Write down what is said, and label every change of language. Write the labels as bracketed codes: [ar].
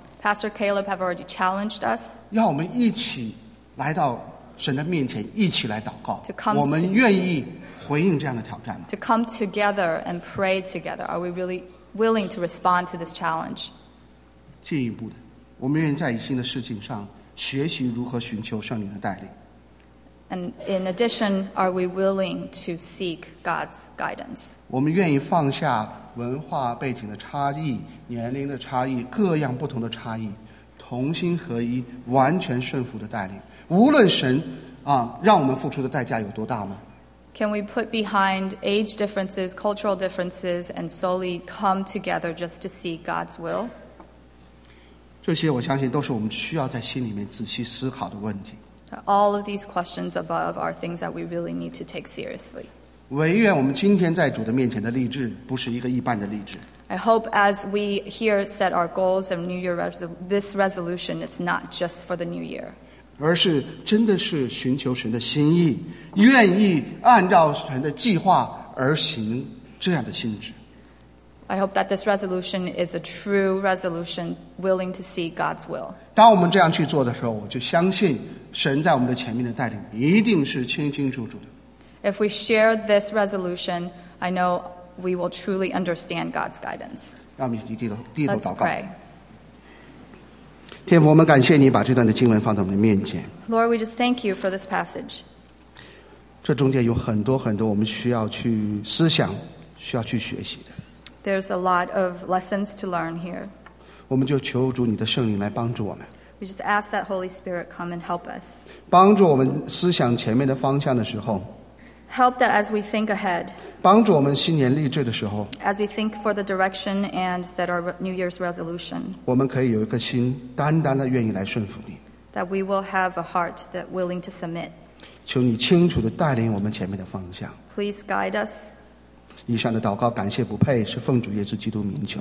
[en] Pastor Caleb have already challenged us. [zh] 要我们一起来到神的面前，一起来祷告。 [en] To come [zh] 我们愿意回应这样的挑战吗？ [en] To come together and pray together. Are we really willing to respond to this challenge? [zh] 进一步的，我们愿意在一些的事情上学习如何寻求圣灵的带领。 [en] And in addition, are we willing to seek God's guidance? [zh] 我们愿意放下文化背景的差异、年龄的差异、各样不同的差异，同心合一、完全顺服的带领。无论神让我们付出的代价有多大吗？ [en] Can we put behind age differences, cultural differences, and solely come together just to see God's will? [zh] 这些我相信都是我们需要在心里面仔细思考的问题。 [en] All of these questions above are things that we really need to take seriously. [zh] 唯愿我们今天在主的面前的立志不是一个一般的立志。 [en] I hope as we here set our goals of New Year this resolution, it's not just for the New Year. [zh] 而是真的是寻求神的心意，愿意按照神的计划而行这样的心志。 [en] I hope that this resolution is a true resolution, willing to see God's will. [zh] 当我们这样去做的时候，我就相信神在我们的前面的带领一定是清清楚楚的。 [en] If we share this resolution, I know we will truly understand God's guidance. [zh] 让我们低头祷告。 [en] Let's pray. [zh] 天父，我们感谢你把这段的经文放在我们的面前。 [en] Lord, we just thank you for this passage. [zh] 这中间有很多很多我们需要去思想，需要去学习的。 [en] There's a lot of lessons to learn here. [zh] 我们就求主你的圣灵来帮助我们。 [en] We just ask that Holy Spirit come and help us. [zh] 帮助我们思想前面的方向的时候。 [en] Help that as we think ahead. [zh] 帮助我们新年立志的时候。 [en] As we think for the direction and set our New Year's resolution. [zh] 我们可以有一颗心单单的愿意来顺服你。 [en] That we will have a heart that willing to submit. [zh] 求你清楚地带领我们前面的方向。 [en] Please guide us. [zh] 以上的祷告感谢不配是奉主耶稣基督名求。